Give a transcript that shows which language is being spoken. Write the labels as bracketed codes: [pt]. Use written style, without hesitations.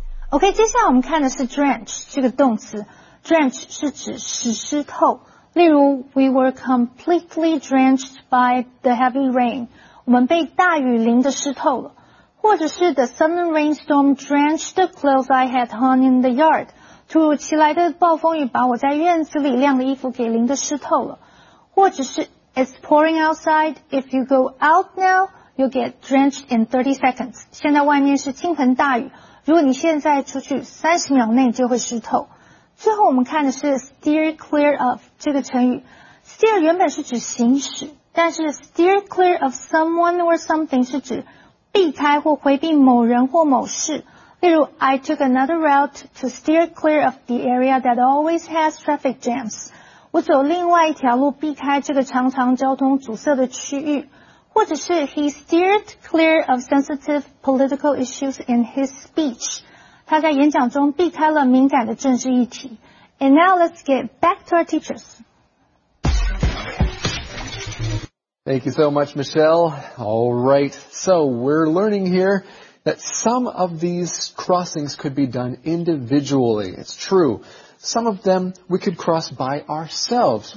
[zh] OK, 接下来我们看的是 drench 这个动词。drench 是指湿湿透。例如 [en] ,we were completely drenched by the heavy rain. [zh] 我们被大雨淋得湿透了。或者是 [en] the sudden rainstorm drenched the clothes I had hung in the yard. [zh] 突如其来的暴风雨把我在院子里晾的衣服给淋得湿透了。或者是 [en] it's pouring outside. If you go out now, you'll get drenched in 30 seconds. [zh] 现在外面是倾盆大雨。如果你现在出去30秒内就会湿透。最后我们看的是 steer clear of 这个成语。 steer 原本是指行驶。但是 [en] steer clear of someone or something [zh] 是指避开或回避某人或某事。例如 [en] I took another route to steer clear of the area that always has traffic jams. [zh] 我走另外一条路避开这个常常交通阻塞的区域。或者是 [en] He steered clear of sensitive political issues in his speech. [zh] 他在演讲中避开了敏感的政治议题。 [en] And now let's get back to our teachers. Thank you so much, Michelle. All right. So we're learning here that some of these crossings could be done individually. It's true. Some of them we could cross by ourselves.